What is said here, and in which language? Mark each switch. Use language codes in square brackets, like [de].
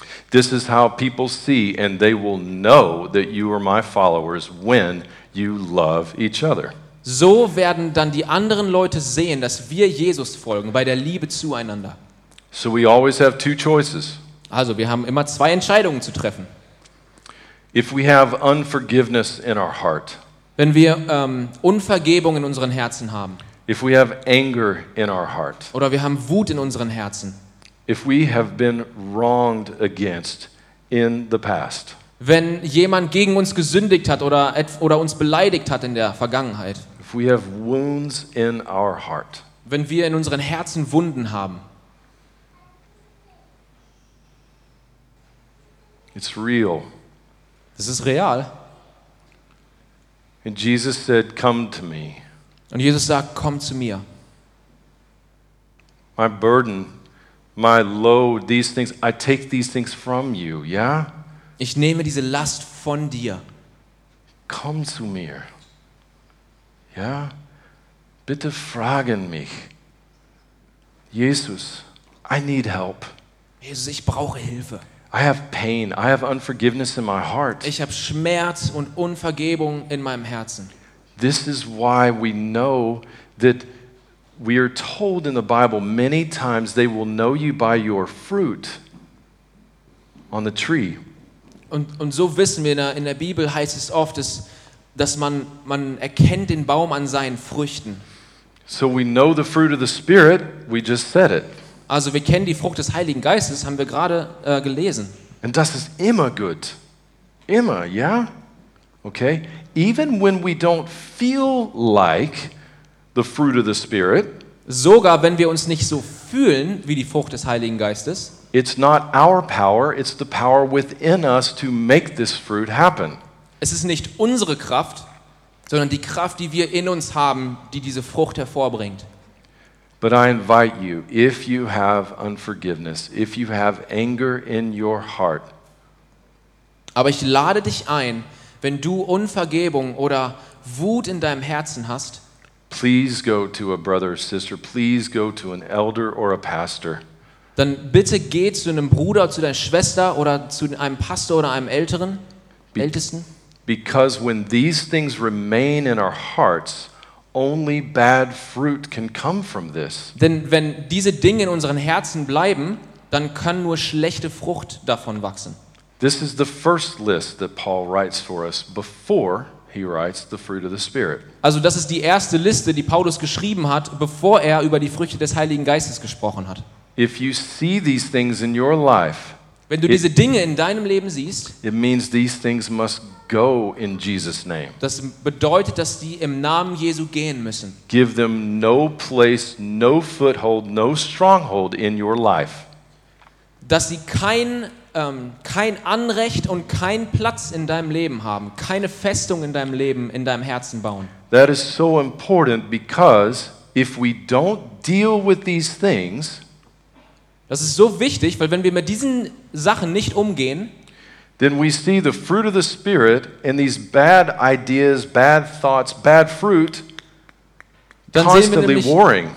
[en] this is how people see and they will know that you are my followers when you love each other. [de] So werden dann die anderen Leute sehen, dass wir Jesus folgen bei der Liebe zueinander. [en] So we always have two choices. [de] Also, wir haben immer zwei Entscheidungen zu treffen. [en] If we have unforgiveness in our heart, [de] wenn wir Unvergebung in unseren Herzen haben, [en] if we have anger in our heart, [de] oder wir haben Wut in unseren Herzen, [en] if we have been wronged against in the past, [de] wenn jemand gegen uns gesündigt hat oder uns beleidigt hat in der Vergangenheit, [en] if we have wounds in our heart, [de] wenn wir in unseren Herzen Wunden haben, [en] it's real. [de] Das ist real. [en] And Jesus said, "Come to me." [de] Und Jesus sagt, komm zu mir. [en] My burden, my load, these things, I take these things from you, yeah? [de] Ich nehme diese Last von dir. Komm zu mir. Ja? Bitte fragen mich. [en] Jesus, I need help. [de] Jesus, ich brauche Hilfe. [en] I have pain. I have unforgiveness in my heart. [de] Ich habe Schmerz und Unvergebung in meinem Herzen. [en] This is why we know that we are told in the Bible many times they will know you by your fruit on the tree. [de] Und so wissen wir, in der Bibel heißt es oft, dass man erkennt den Baum an seinen Früchten. [en] So we know the fruit of the Spirit, we just said it. [de] Also wir kennen die Frucht des Heiligen Geistes, haben wir gerade gelesen. And das ist immer gut. Immer, ja? Yeah? Okay? [en] Even when we don't feel like the fruit of the Spirit, [de] sogar wenn wir uns nicht so fühlen wie die Frucht des Heiligen Geistes, [en] it's not our power, it's the power within us to make this fruit happen. [de] Es ist nicht unsere Kraft, sondern die Kraft, die wir in uns haben, die diese Frucht hervorbringt. [en] But I invite you, if you have unforgiveness, if you have anger in your heart. [de] Aber ich lade dich ein, wenn du Unvergebung oder Wut in deinem Herzen hast, [en] please go to a brother or sister, please go to an elder or a pastor. [de] Dann bitte geh zu einem Bruder, zu deiner Schwester oder zu einem Pastor oder einem Ältesten. [en] Because when these things remain in our hearts, only bad fruit can come from this. [de] Denn wenn diese Dinge in unseren Herzen bleiben, dann kann nur schlechte Frucht davon wachsen. [en] This is the first list that Paul writes for us before he writes the fruit of the Spirit. [de] Also das ist die erste Liste, die Paulus geschrieben hat, bevor er über die Früchte des Heiligen Geistes gesprochen hat. [en] If you see these things in your life, [de] wenn du diese Dinge in deinem Leben siehst, [en] it means these things must go in Jesus' name. [de] Das bedeutet, dass die im Namen Jesu gehen müssen. [en] Give them no place, no foothold, no stronghold in your life. [de] Dass sie kein Anrecht und kein Platz in deinem Leben haben, keine Festung in deinem Leben, in deinem Herzen bauen. [en] That is so important because if we don't deal with these things, [de] das ist so wichtig, weil wenn wir mit diesen Sachen nicht umgehen, [en] then we see the fruit of the Spirit and these bad ideas, bad thoughts, bad fruit constantly warring.